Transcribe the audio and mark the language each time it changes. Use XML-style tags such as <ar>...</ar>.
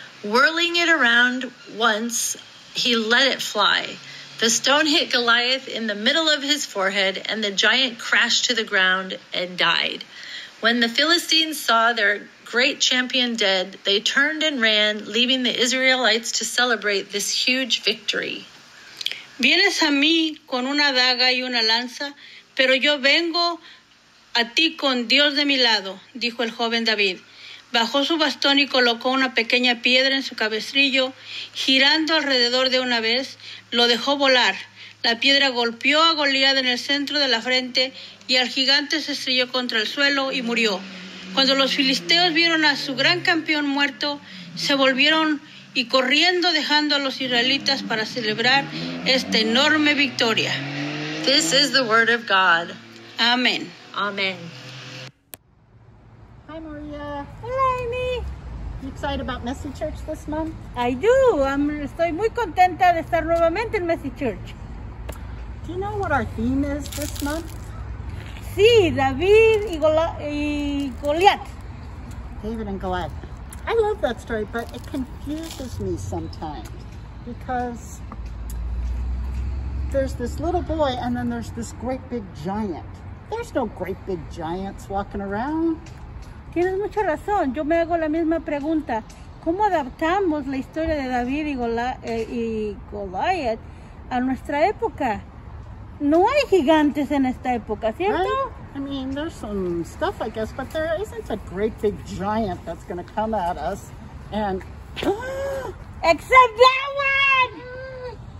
<en>Whirling it around once, he let it fly. The stone hit Goliath in the middle of his forehead, and the giant crashed to the ground and died. When the Philistines saw their great champion dead, they turned and ran, leaving the Israelites to celebrate this huge victory.</en> <es>Vienes a mí con una daga y una lanza, pero yo vengo a ti con Dios de mi lado, dijo el joven David. Bajó su bastón y colocó una pequeña piedra en su cabestrillo, girando alrededor de una vez, lo dejó volar. La piedra golpeó a Goliat en el centro de la frente y al gigante se estrelló contra el suelo y murió. Cuando los filisteos vieron a su gran campeón muerto, se volvieron y corriendo dejando a los israelitas para celebrar esta enorme victoria.</es> <en>This is the word of God.</en> <es>Amén.</es> <en>Amen. Hi, Maria.</en> <es>Hola, Amy.</es> <en>You excited about Messy Church this month? I do.</en> <es>Estoy muy contenta de estar nuevamente en Messy Church.</es> <en>Do you know what our theme is this month?</en> <es>Sí, David y Goliat.</es> <en>David and Goliat. I love that story, but it confuses me sometimes because there's this little boy and then there's this great big giant. There's no great big giants walking around.</en> <es>Tienes mucha razón. Yo me hago la misma pregunta. ¿Cómo adaptamos la historia de David y Goliat a nuestra época? No hay gigantes en esta época, ¿cierto?</es> <en>Right? I mean, there's some stuff, I guess, but there isn't a great big giant that's going to come at us and... Except that one!</en>